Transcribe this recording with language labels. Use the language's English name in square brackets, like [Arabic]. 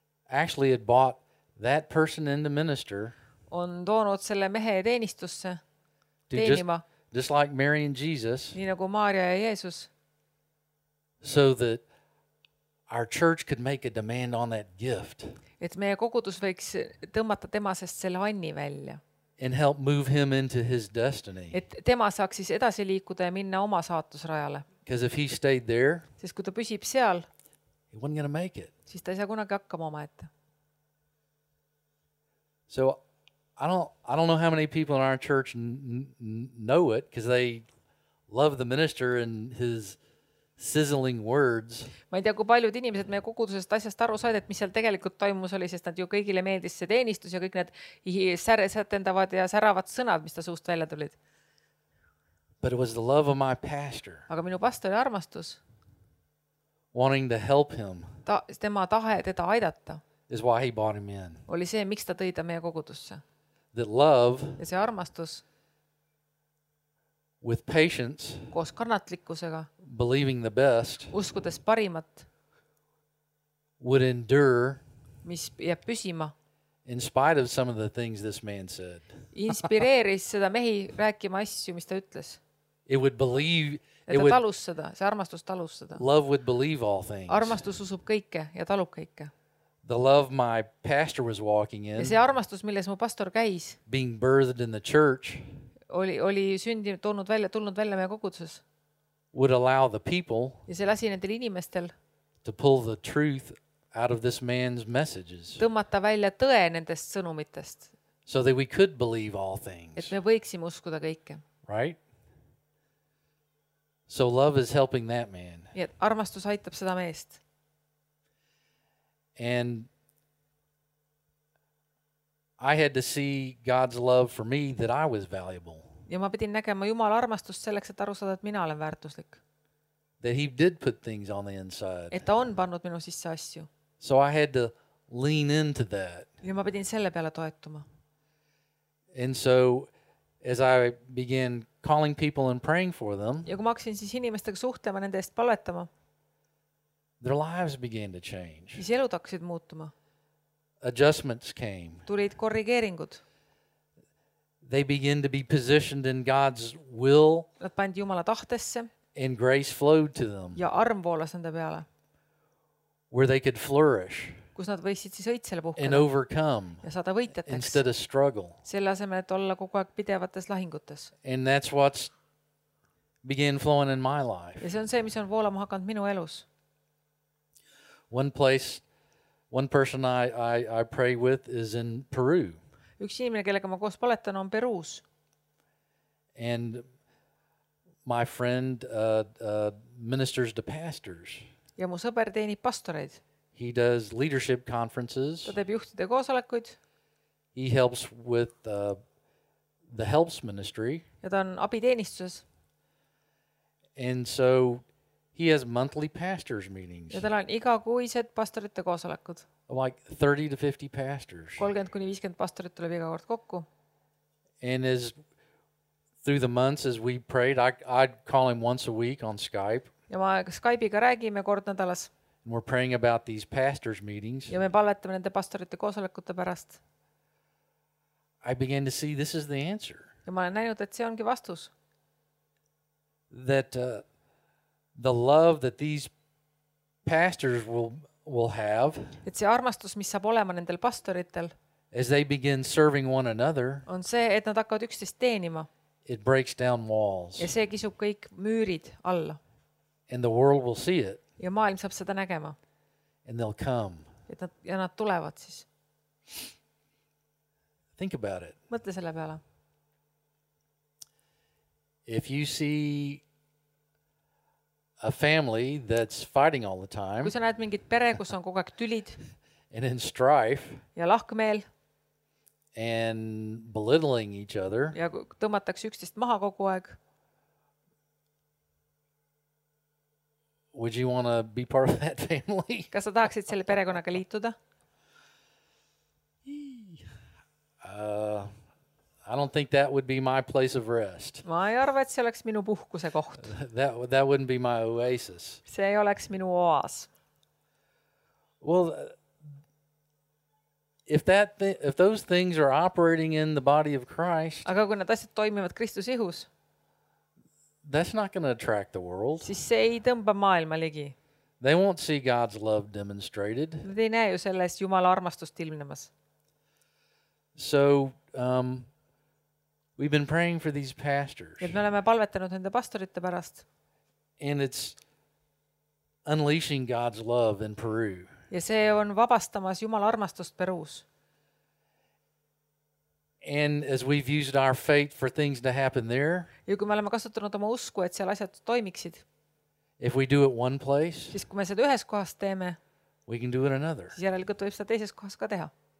[English] actually had bought that person into minister. [Estonian] On toonud selle mehe teenistusse teenima. [English] Just like Mary and Jesus. [Estonian] Nii nagu Maaria ja Jeesus. [English] So that our church could make a demand on that gift. [Estonian] Et meie kogudus võiks tõmmata temasest selle anni välja. [English] And help move him into his destiny. [Estonian] Et tema saaks siis edasi liikuda ja minna oma saatusrajale. [English] Because if he stayed there, [Estonian] siis kui ta püsib seal, [English] he wasn't going to make it. [Estonian] Siis ta ei saa kunagi hakkama oma ette. [English] So I don't know how many people in our church know it because they love the minister and his sizzling words. [Estonian] Ma ei tea, kui paljud inimesed meie kogudusest asjast aru said, et mis seal tegelikult toimus oli, sest nad ju kõigile meeldis see teenistus ja kõik need säresetendavad ja säravad sõnad, mis ta suust välja tulid. [English] But it was the love of my pastor. [Estonian] Aga minu pastor oli armastus. [English] Wanting to help him. [Estonian] Ta, tema tahe teda aidata. [English] Is why he brought him in. [Estonian] Oli see, miks ta tõi ta meie kogudusse. [English] The love. [Estonian] Ja see armastus. [English] With patience. [Estonian] Koos kannatlikkusega. [English] Believing the best. [Estonian] Uskudes parimat. [English] Would endure. [Estonian] Mis jääb püsima. [English] In spite of some of the things this man said. [Estonian] Inspireeris seda mehi rääkima asju, mis ta ütles. [English] It would believe. [Estonian] Et ta talus seda, see armastus talus seda. [English] Love would believe all things. [Estonian] Armastus usub kõike ja talub kõike. [English] The love my pastor was walking in. [Estonian] Ja see armastus, milles mu pastor käis. [English] Being birthed in the church. [Estonian] Oli sündinud, tulnud välja meie koguduses. [English] Would allow the people. [Estonian] Ja see lasi nendel inimestel. [English] To pull the truth out of this man's messages. [Estonian] Tõmmata välja tõe nendest sõnumitest. [English] So that we could believe all things. [Estonian] Et me võiksime uskuda kõike. [English] Right? So love is helping that man. [Estonian] Ja armastus aitab seda meest. [English] And I had to see God's love for me that I was valuable. [Estonian] Ja ma pidin nägema Jumala armastust selleks, et aru saada, et mina olen väärtuslik. [English] That he did put things on the inside. [Estonian] Et ta on pannud minu sisse asju. [English] So I had to lean into that. [Estonian] Ja ma pidin selle peale toetuma. [English] And so as I began calling people and praying for them. [Estonian] Ja kui ma hakkasin siis inimestega suhtlema nende eest palvetama. [English] Their lives began to change. [Estonian] Siis elud hakkasid muutuma. [English] Adjustments came. [Estonian] Tulid korrigeeringud. [English] They began to be positioned in God's will. [Estonian] Nad pandi Jumala tahtesse. [English] And grace flowed to them. [Estonian] Ja arm voolas nende peale. [English] Where they could flourish. [Estonian] Kus nad võisid siis õitsele puhkeda. [English] And overcome. [Estonian] Ja saada võitjateks. [English] Instead of struggle. [Estonian] Selle asemel, et olla kogu aeg pidevates lahingutes. [English] And that's what's began flowing in my life. [Estonian] Ja see on see, mis on voolama hakanud minu elus. [English] One place, one person I pray with is in Peru. [Estonian] Üks inimene, kellega ma koos paletan, on Peruus. [English] And my friend ministers to pastors. [Estonian] Ja mu sõber teenib pastoreid. [English] He does leadership conferences. [Estonian] Ta teeb juhtide koosolekuid. [English] He helps with the helps ministry. [Estonian] Ja ta on abiteenistuses. [English] And so he has monthly pastors meetings. [Estonian] Ja tal on igakuised pastorite koosolekud. [English] Like 30 to 50 pastors. [Estonian] 30 kuni 50 pastorit tuleb iga kord kokku. [English] And as through the months as we prayed, I'd call him once a week on Skype. [Estonian] Ja ma Skype'iga räägime kord nädalas. [English] We're praying about these pastors meetings. [Estonian] Ja me palvetame nende pastorite koosolekute pärast. [English] I began to see this is the answer. [Estonian] Ja ma olen näinud, et see ongi vastus. [English] That the love that these pastors will have. [Estonian] Et see armastus, mis saab olema nendel pastoritel. [English] As they begin serving one another. [Estonian] On see, et nad hakkavad üksteist teenima. [English] It breaks down walls. [Estonian] Ja see kisub kõik müürid alla. [English] And the world will see it. [Estonian] Ja maailm saab seda nägema. [English] And they'll come. [Estonian] Et nad, ja nad tulevad siis. [English] Think about it. [Estonian] Mõtle selle peale. [English] If you see a family that's fighting all the time. [Estonian] Kui sa näed mingit pere, kus on kogu aeg tülid. [English] And in strife. [Estonian] Ja lahkmeel. [English] And belittling each other. [Estonian] Ja tõmmatakse üksteist maha kogu aeg. [English] Would you want to be part of that family? [Estonian] Kas sa tahaksid selle perekonnaga liituda? [English] I don't think that would be my place of rest. [Estonian] Ma ei arva, et see oleks minu puhkuse koht. [English] That wouldn't be my oasis. [Estonian] See ei oleks minu oas. [English] Well, if those things are operating in the body of Christ. [Estonian] Aga kui nad asjad toimivad Kristus ihus. [English] That's not going to attract the world. [Estonian] Siis see ei tõmba maailma ligi. [English] They won't see God's love demonstrated. [Estonian] Nad ei näe ju selles Jumala armastust ilmnemas. [English] So, we've been praying for these pastors. [Estonian] Et me oleme palvetanud nende pastorite pärast. [English] And it's unleashing God's love in Peru. [Estonian] Ja see on vabastamas Jumala armastust Peruus. [English] And as we've used our faith for things to happen there. [Estonian] Ja kui me oleme kasutanud oma usku, et seal asjad toimiksid. [English] If we do it one place. [Estonian] Siis kui me seda ühes kohas teeme. [English] We can do it another. [Estonian] Siis järelikult võib seda teises kohas ka teha.